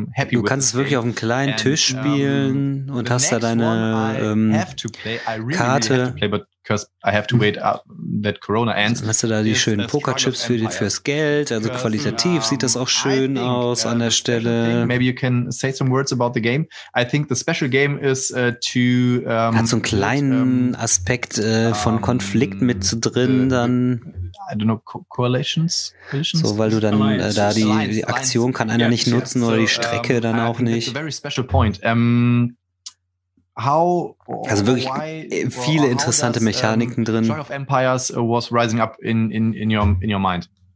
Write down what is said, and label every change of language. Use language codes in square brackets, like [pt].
[de] Du kannst es wirklich auf einem kleinen Tisch spielen und hast da deine Karte. [en] Because I have to wait that Corona ends. [de] Hast du da die schönen Pokerchips fürs Geld? Also qualitativ sieht das auch schön aus an der Stelle. [en] Maybe you can say some words about the game. I think the special game is to. [de] Hat so einen kleinen Aspekt von Konflikt mit drin, dann. [en] I don't know, coalitions? [de] So, weil du dann da die Aktion kann einer nicht nutzen oder die Strecke dann auch nicht. [en] That's a very special point. How, [de] also wirklich viele interessante Mechaniken drin. [en] Joy of Empires was rising up in your mind.